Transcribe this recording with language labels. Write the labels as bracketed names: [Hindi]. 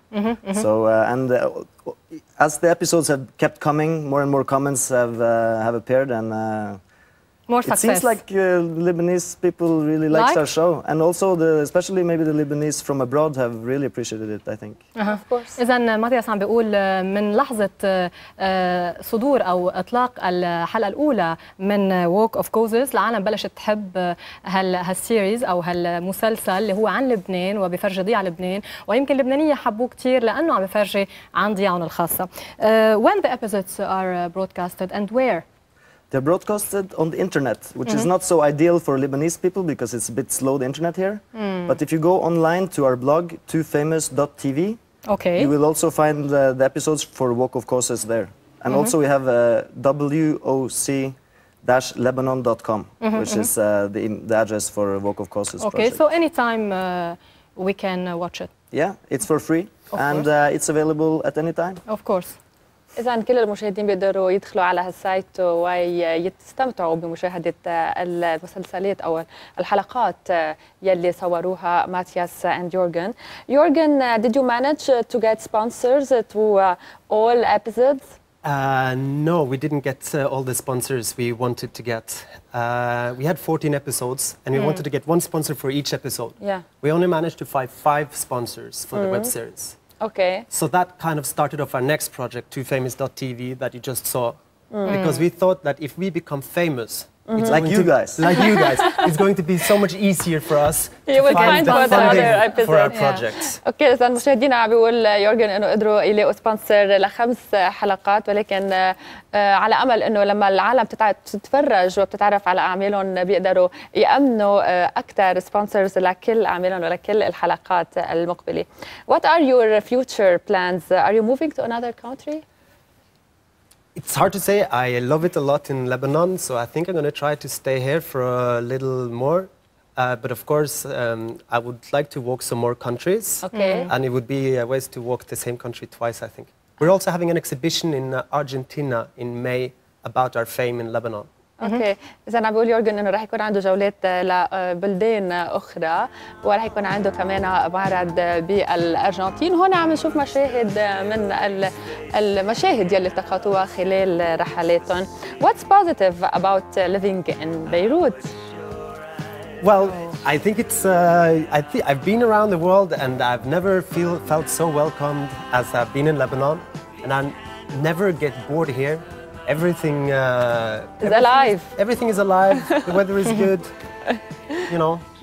[English] Mm-hmm, mm-hmm. So, as the episodes have kept coming, more and more comments have appeared, and more success. It seems like Lebanese people really like our show, and also especially maybe the Lebanese from abroad have really appreciated it, I think. Uh-huh. Of course. [Arabic] إذن ماتياس عم بيقول من لحظة صدور أو إطلاق الحلقة الأولى من Walk of Causes العالم بلشت تحب هالسيريز أو هالمسلسل اللي هو عن لبنان وبيفرجي ضياع لبنان، ويمكن اللبنانية حبوه كتير لأنه عم بيفرجي عن ضياعهم الخاصة. [English] When the episodes are broadcasted and where? They're broadcasted on the internet, which mm-hmm. is not so ideal for Lebanese people because it's a bit slow, the internet here. Mm. But if you go online to our blog, twofamous.tv, okay. you will also find the episodes for Walk of Courses there. And mm-hmm. also we have woc-lebanon.com, mm-hmm, which mm-hmm. is the address for Walk of Courses. Okay, project. So anytime we can watch it. Yeah, it's for free and it's available at any time. Of course. [Arabic] إذن كل المشاهدين بيقدروا يدخلوا على هالسايت ويستمتعوا بمشاهدة المسلسلات أو الحلقات يلي صوروها ماتياس and Jürgen. [English] Jürgen, did you manage to get sponsors to all episodes? No, we didn't get all the sponsors we wanted to get. We had 14 episodes and we wanted to get one sponsor for each episode. Yeah. We only managed to find five sponsors for the web series. Okay. So that kind of started off our next project, twofamous.tv, that you just saw. Mm. Because we thought that if we become famous, mm-hmm. it's like you guys. Like you guys. It's going to be so much easier for us you to find the funding other for our projects. Yeah. Okay, so [Arabic] المشاهدين عم بيقول يورغن انه قدروا يلاقوا سبونسر لخمس حلقات، ولكن على امل انه لما العالم تتفرج وبتتعرف على اعمالهم بيقدروا يامنوا اكثر سبونسرز لكل اعمالهم ولكل الحلقات المقبله. [English] What are your future plans? Are you moving to another country? It's hard to say. I love it a lot in Lebanon, so I think I'm going to try to stay here for a little more. But of course, I would like to walk some more countries. Okay. Mm-hmm. And it would be a waste to walk the same country twice, I think. We're also having an exhibition in Argentina in May about our fame in Lebanon. [Arabic] اوكي اذا عم بقول يورغن انه راح يكون عنده جولات لبلدان اخرى وراح يكون عنده كمان معرض بالارجنتين. هون عم نشوف مشاهد من المشاهد يلي التقطوها خلال رحلاتهم. [English] What's positive about living in Beirut? Well, I think it's I've been around the world and I've never felt so welcomed as I've been in Lebanon, and I never get bored here. Everything is alive. Everything is alive. The weather is good, you know.